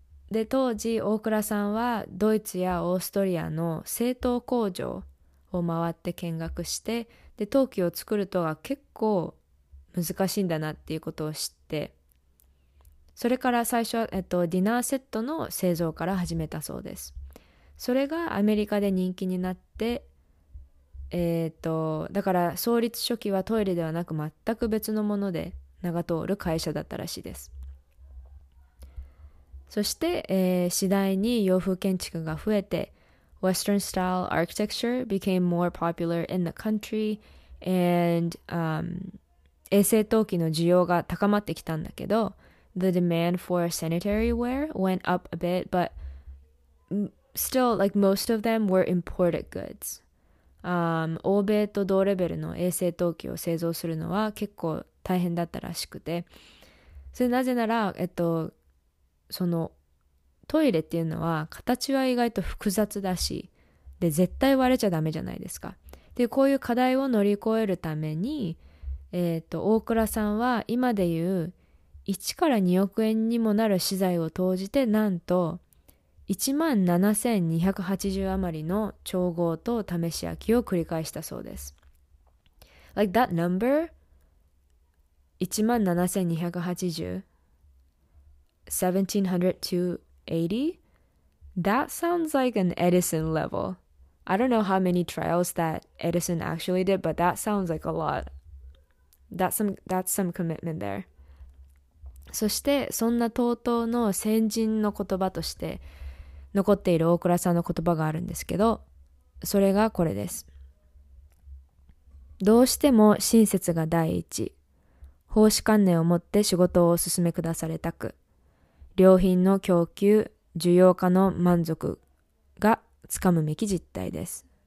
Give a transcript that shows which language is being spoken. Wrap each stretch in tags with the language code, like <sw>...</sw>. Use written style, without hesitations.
<ja>で、当時大倉さんはドイツやオーストリアの製陶工場を回って見学して、で、陶器を作るとは結構難しいんだなっていうことを知って、それから最初は、ディナーセットの製造から始めたそうです。それがアメリカで人気になって、だから創立初期はトイレではなく全く別のもので名が通る会社だったらしいです。そして、次第に洋風建築が増えて、</ja> <en>Western style architecture became more popular in the country, and</en> <ja>衛生陶器の需要が高まってきたんだけど、</ja> <en>the demand for sanitary ware went up a bit, but still, like, most of them were imported goods.</en> <ja>欧米と同レベルの衛生陶器を製造するのは結構大変だったらしくて、それなぜなら、そのトイレっていうのは形は意外と複雑だし、で絶対割れちゃダメじゃないですか。でこういう課題を乗り越えるために、大倉さんは今でいう1から2億円にもなる資材を投じて、なんと17,280余りの調合と試し焼きを繰り返したそうです。</ja> <en>Like that number 17,280, that sounds like an Edison level. I don't know how many trials that Edison actually did, but that sounds like a lot. That's some commitment there.</en> <ja>そしてそんな TOTO の先人の言葉として残っている大倉さんの言葉があるんですけど、それがこれです。どうしても親切が第一、奉仕観念を持って仕事をお進めくだされたく、良品の供給、需要家の満足がつかむべき実態です。</ja>